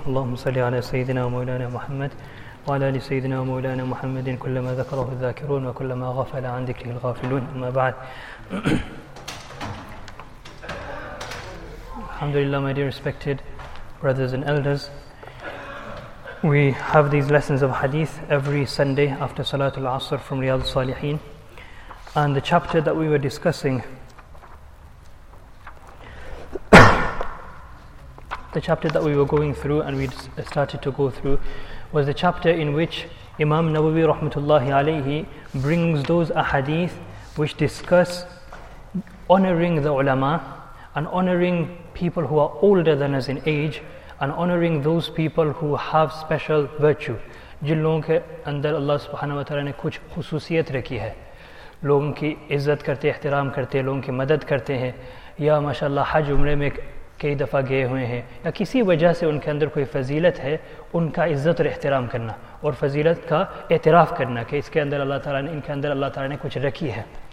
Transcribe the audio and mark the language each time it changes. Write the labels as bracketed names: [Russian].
[Arabic] اللهم صل على سيدنا ومولانا محمد وعلى آل سيدنا ومولانا محمد كلما ذكره الذاكرون وكلما غفل عن ذكره الغافلون. أما بعد, [English] Alhamdulillah, my dear respected brothers and elders, we have these lessons of hadith every Sunday after Salatul Asr from Riyadh Salihin, and the chapter that we were discussing the chapter that we were going through and we started to go through was the chapter in which Imam Nawawi rahmatullahi alayhi brings those ahadith which discuss honoring the ulama and honoring people who are older than us in age and honoring those people who have special virtue. [Urdu] Jin logon ke andar Allah subhanahu wa ta'ala ne kuch khususiyat rakhi hai, logon ki izzat karte, ehtiram karte, logon ki madad karte hain, ya mashallah hajj umre mein کئی دفعہ گئے ہوئے ہیں یا کسی وجہ سے ان کے اندر کوئی فضیلت ہے, ان کا عزت اور احترام کرنا اور فضیلت کا اعتراف کرنا کہ اس کے اندر اللہ تعالیٰ نے ان کے اندر اللہ تعالیٰ نے کچھ رکھی ہے.